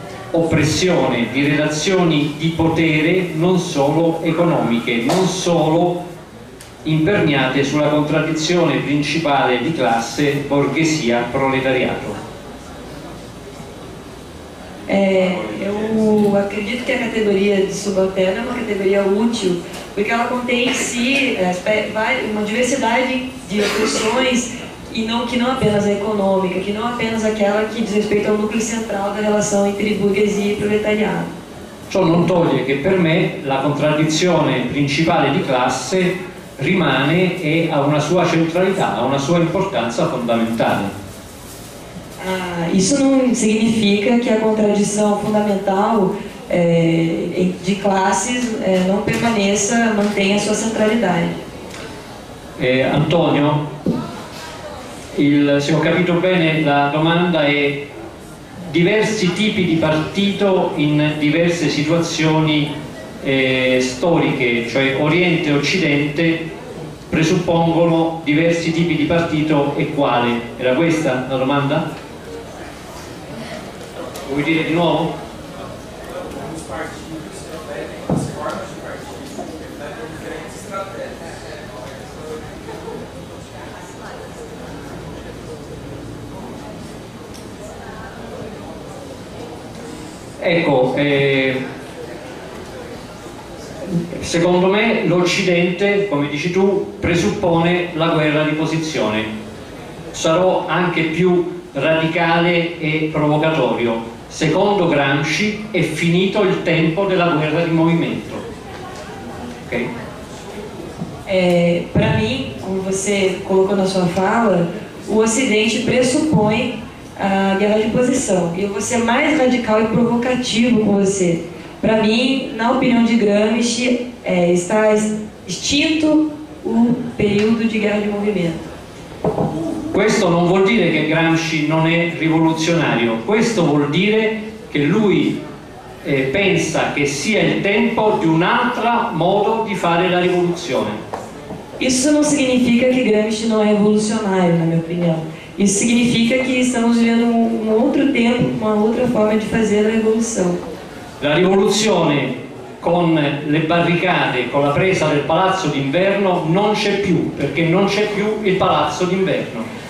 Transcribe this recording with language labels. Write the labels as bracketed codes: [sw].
[it] oppressione, di relazioni di potere non solo economiche, non solo imperniate sulla contraddizione principale di classe, borghesia, proletariato. [pt] Eu acredito que a categoria de subalterna é uma categoria útil, porque ela contém em si uma diversidade de opressões, e não, que não apenas a econômica, que não apenas aquela que diz respeito ao núcleo central da relação entre burguesia e proletariado. [it] Ciò non toglie che per me la contraddizione principale di classe rimane e ha una sua centralità, ha una sua importanza fondamentale. [pt] Isso não significa que a contradição fundamental de classes não permaneça, mantenha a sua centralidade. [it] Antonio, se ho capito bene, la domanda è: diversi tipi di partito in diverse situazioni storiche, cioè Oriente e Occidente, presuppongono diversi tipi di partito e quale? Era questa la domanda? Vuoi dire di nuovo? Ecco, secondo me l'Occidente, come dici tu, presuppone la guerra di posizione. Sarò anche più radicale e provocatorio. Secondo Gramsci è finito il tempo della guerra di movimento. Ok? Per me, come [pt] você colocou na sua fala, o Ocidente presuppone a guerra de posição. Eu vou ser mais radical e provocativo com você. Para mim, na opinião de Gramsci, está extinto o período de guerra de movimento. [it] Questo non vuol dire che Gramsci non è rivoluzionario, questo vuol dire che lui pensa che sia il tempo di un altro modo di fare la rivoluzione. [pt] Isso [it] non significa che Gramsci non è rivoluzionario, [pt] na minha opinião. Isso significa que estamos vivendo um outro tempo, uma outra forma de fazer a revolução. [it] La rivoluzione con le barricate, con la presa del palazzo d'inverno, non c'è più, perché non c'è più il palazzo d'inverno.